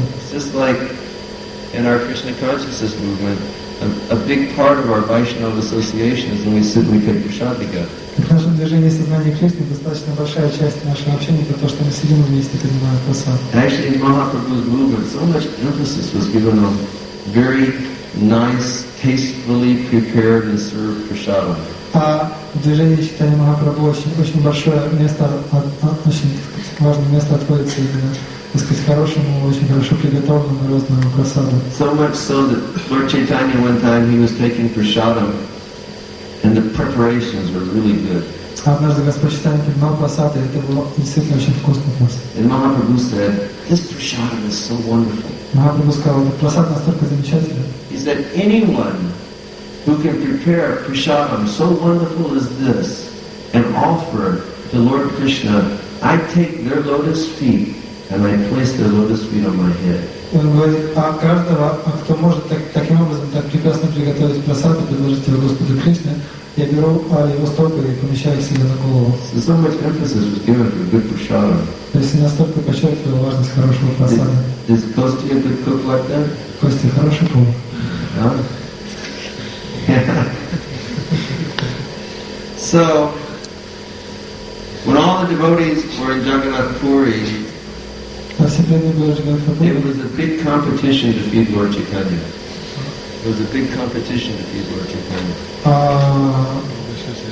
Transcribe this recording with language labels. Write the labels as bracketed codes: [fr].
[en] Just like in our Krishna consciousness movement, a big part of our Vaishnava association is when we sit and we take prasad together. [ru] В нашем движении сознания Кришны достаточно большая часть нашего общения, это то, что мы сидим вместе, принимая просад. [en] Actually, in Mahaprabhu's movement, so much emphasis was given on very nice, tastefully prepared and served prasadam. [ru] А в движении считания Махапрабху очень большое место, очень важное место отводится именно, так сказать, хорошему, очень хорошо приготовленному разному просаду. [en] So much so that Lord Chaitanya one time he was taking prasadam. And the preparations were really good. And Mahaprabhu said, this prasadam is so wonderful. He said, anyone who can prepare prasadam so wonderful as this and offer to Lord Krishna, I take their lotus feet and I place their lotus feet on my head. [ru] Он говорит, а каждого, кто может таким образом так прекрасно приготовить просад и предложить его Господу Кришне, я беру его стопы и помещаю их себе на голову. [en] So much emphasis was given for good prasadam. [ru] То есть настолько подчеркивает важность хорошего просада. [en] Is Kostya a good cook like that? [ru] Костя хороший повар. [en] So, when all the devotees were in Jagannath Puri, it was a big competition to feed Lord Chaitanya. It was a big competition to feed Lord Chaitanya.